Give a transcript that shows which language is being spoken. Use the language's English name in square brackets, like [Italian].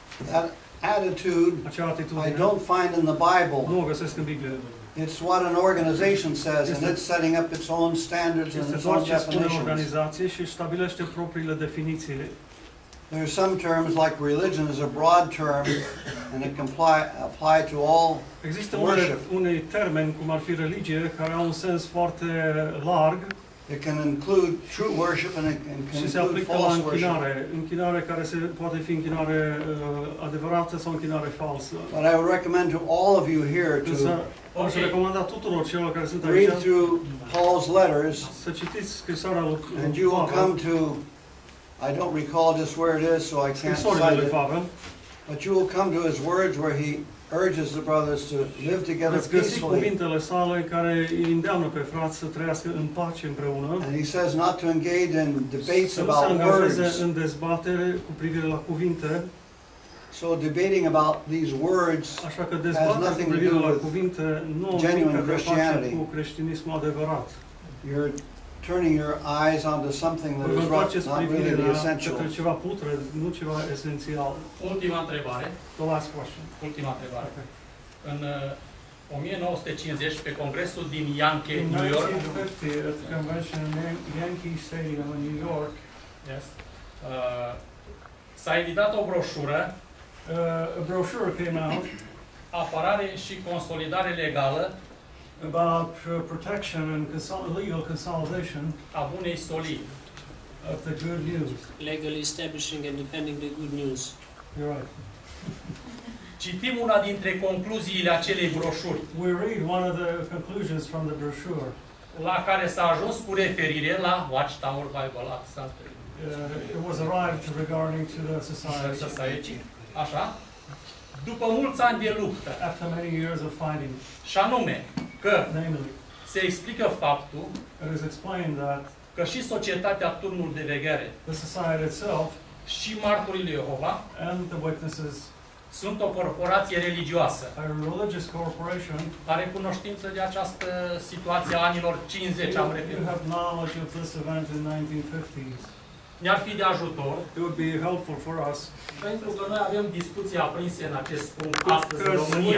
[English] that attitude, I don't find in the Bible. [Romanian] Nu o găsesc în Biblie. [English] It's what an organization says, and it's setting up its own standards and its own definitions. [Romanian] Organizație și stabilește propriile definiții. [English] There are some terms like religion is a broad term, and it apply to all worship. [Romanian] Există unii termeni cum ar fi religie care au un sens foarte larg. [English] It can include true worship and it can include false worship. [Romanian] Și se aplică la închinare, închinare care se poate fi închinare adevărată sau închinare falsă. [English] But I would recommend to all of you here to recommend [Romanian] tuturor celor care sunt aici. [English] Read through Paul's letters. [Romanian] Să citiți scrisoarea lui Pavel. [English] And you will come to, I don't recall just where it is, so I can't cite it. But you will come to his words where he urges the brothers to live together peacefully. [Romanian] Cuvintele sale care îi îndeamnă pe frați să trăiască în pace împreună. [English] And he says not to engage in debates about words. [Romanian] Să nu se angajeze în dezbatere cu privire la cuvinte. [English] So debating about these words has nothing to do with genuine Christianity. [Romanian] Cu creștinismul adevărat. [English] You're turning your eyes onto something that is not really the essential. [Romanian] Către ceva putred, nu ceva esențial. Ultima întrebare. [English] The last question. [Romanian] Ultima întrebare. Okay. În 1950, pe congresul din Yankee, [English] in New York. In 1950, at the convention in Yankee Stadium in New York. Yes. [Romanian] S-a editat o broșură. [English] A brochure came out. [Romanian] Apărare și consolidare legală. [English] About protection and legal consolidation [Romanian] a unei solii [English] of the good news. Legally establishing and defending the good news. You're right. [Romanian] Citim una dintre concluziile acelei broșuri. [English] We read one of the conclusions from the brochure. [Romanian] La care s-a ajuns cu referire la Watchtower Bible Act. [English] It was arrived regarding to the society. [Romanian] Așa. După mulți ani de luptă. [English] After many years of fighting. [Romanian] Și anume că [English] namely, [Romanian] se explică faptul [English] it is explained that [Romanian] că și societatea Turnul de Veghere, [English] the society itself, [Romanian] și Marturile Jehova [English] and the witnesses [Romanian] sunt o corporație religioasă. [English] A religious corporation. [Romanian] Are cunoștință de această situație a anilor 50, am repetat. [English] You have knowledge of this event in the 1950s. [Romanian] Ne-ar fi de ajutor. [English] It would be helpful for us. [Romanian] Pentru că noi avem discuții aprinse în acest punct astăzi în România.